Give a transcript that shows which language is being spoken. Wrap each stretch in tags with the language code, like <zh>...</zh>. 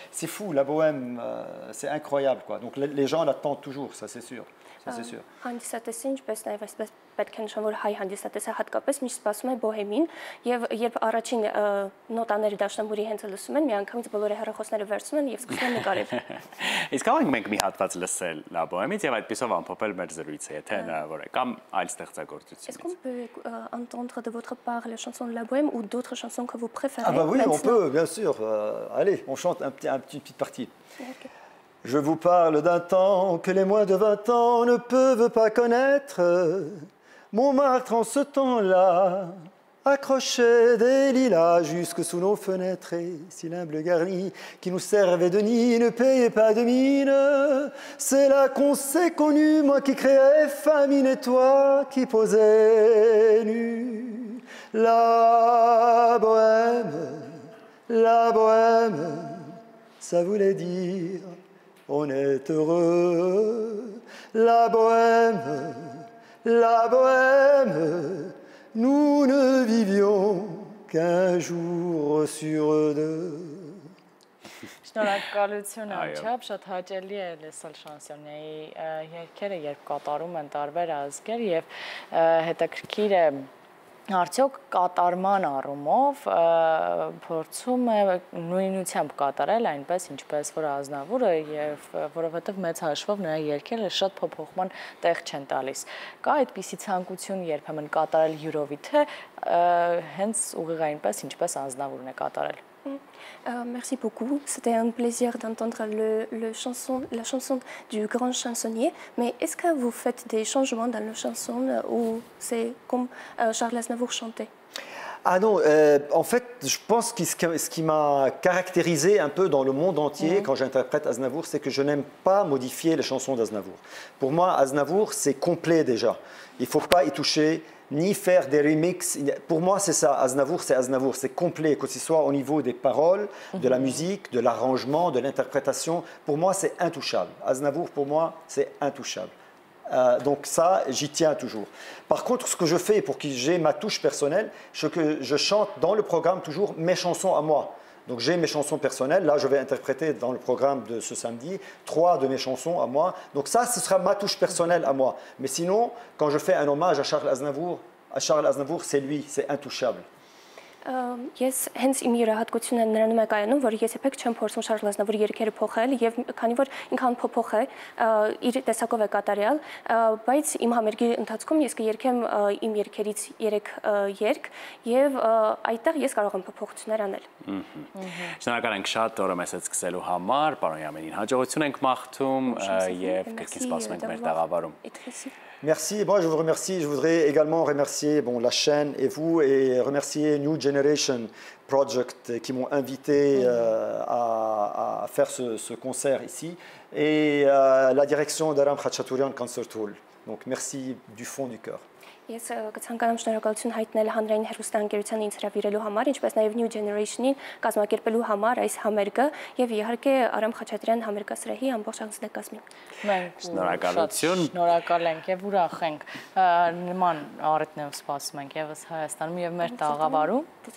<fr>C'est fou, La Bohème, c'est incroyable, quoi. Donc les gens l'attendent toujours, ça c'est sûr.</fr> <hy>Հանդիսատեսը, ինչպես նաև այսպես պետք է նշեմ, որ հայ հանդիսատեսը հատկապես միշտ սպասում է Բոհեմին, և երբ առաջին նոտաները Դաշնամուրի հենց լսում են, միանգամից բոլորի հեռախոսները վերցնում են և սկսում են նկարել։ Իսկ ավանք մենք մի հատված լսել La Bohème-ից և այդպիսով ամփոփել մեր զրույցը, եթե հնարավոր է, կամ այլ ստեղծագործությունից։</hy> <fr>Est-ce qu'on peut entendre de votre part la chanson La Bohème ou d'autres chansons que vous préférez? Ah bah oui, on peut, bien sûr. Allez, on chante une petite partie. D'accord. Je vous parle d'un temps que les moins de 20 ans ne peuvent pas connaître. Montmartre, en ce temps-là, accrochait des lilas jusque sous nos fenêtres. Et si l'humble garni qui nous servait de nid ne payait pas de mine, c'est là qu'on s'est connus, moi qui créais famine et toi qui posais nu. La bohème, la bohème, ça voulait dire on est heureux. La bohème, la bohème, nous ne vivions qu'un jour sur deux.</fr> <hy>Շնորհակալություն Աչապ, շատ հաճելի է լսել շանսոնիայի երգերը, երբ կատարում են տարբեր ազգեր, եւ հետաքրքիր է արդյոք կատարման առումով փորձում է նույնությամբ կատարել այնպես, ինչպես որ Ազնավուրը, եւ որովհետեւ մեծ հաշվով նրա երգերը շատ փոփոխման տեղ չեն տալիս։ Կա այդպիսի ցանկություն երբեմն կատարել յուրովիթը հենց ուղիղ այնպես, ինչպես Ազնավուրն է կատարել։</hy> <fr>Merci beaucoup. C'était un plaisir d'entendre la chanson du grand chansonnier. Mais est-ce que vous faites des changements dans la chanson ou c'est comme Charles Aznavour chantait? Ah non, en fait, je pense que ce qui m'a caractérisé un peu dans le monde entier quand j'interprète Aznavour, c'est que je n'aime pas modifier les chansons d'Aznavour. Pour moi, Aznavour, c'est complet déjà. Il ne faut pas y toucher, ni faire des remixes. Pour moi, c'est ça, Aznavour, c'est Aznavour, c'est complet, que ce soit au niveau des paroles, de la musique, de l'arrangement, de l'interprétation. Pour moi, c'est intouchable. Aznavour, pour moi, c'est intouchable. Donc ça, j'y tiens toujours. Par contre, ce que je fais pour que j'ai ma touche personnelle, c'est que je chante dans le programme toujours mes chansons à moi. Donc j'ai mes chansons personnelles. Là, je vais interpréter dans le programme de ce samedi 3 de mes chansons à moi. Donc ça, ce sera ma touche personnelle à moi. Mais sinon, quand je fais un hommage à Charles Aznavour, c'est lui, c'est intouchable.</fr> <hy>Ես հենց իմ յուրահատկությունը նրանում է կայանում, որ ես եպեք չեմ փորձում Շարլ Ազնավուր երկերը փոխել, և քանի որ ինքան փոփոխ է, իր տեսակով է կատարյալ, բայց իմ համերգի ընթացքում ես կերկեմ իմ երկերից 3 երկ, և այդտեղ ես կարող եմ փոփոխություններ անել։ Շնորհակալ ենք շատ օրը մեզ հետ սկսելու համար, պարոն Յամենին հաջողություն ենք մաղթում, և կրկին սպասում ենք մեր տաղավարում։</hy> <fr>Merci. Moi, je vous remercie. Je voudrais également remercier la chaîne et vous, et remercier New Generation Project qui m'ont invité à faire ce concert ici, et la direction d'Aram Khatchaturian Concert Hall. Donc, merci du fond du cœur.</fr> <hy>Ես կցանկանամ շնորհակալություն հայտնել հանրային հեռուստան ընկերության ինձ հրավիրելու համար, ինչպես նաև New Generation-ին կազմակերպելու համար այս համերգը, և իհարկե Արամ Խաչատրյան համերգասրահի ամբողջ անձնակազմին։ Շնորհակալություն։ Շնորհակալ ենք և ուրախ ենք, նման առիթներով սպասում ենք եւս Հայաստանում եւ մեր տաղավարում։</hy>